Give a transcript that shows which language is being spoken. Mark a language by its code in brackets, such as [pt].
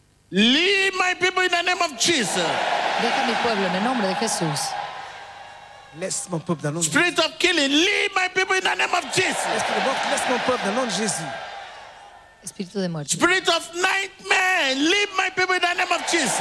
[en] Leave my people in the name of Jesus. [es] Deja mi pueblo en el nombre de Jesús. [fr] Laisse mon peuple dans le nom. [en] Spirit of killing, leave my people in the name of Jesus. [fr] Esprit de mort, laisse mon peuple dans le nom de Jésus. Esprit de mort. [en] Spirit of nightmare, leave my people in the name of Jesus.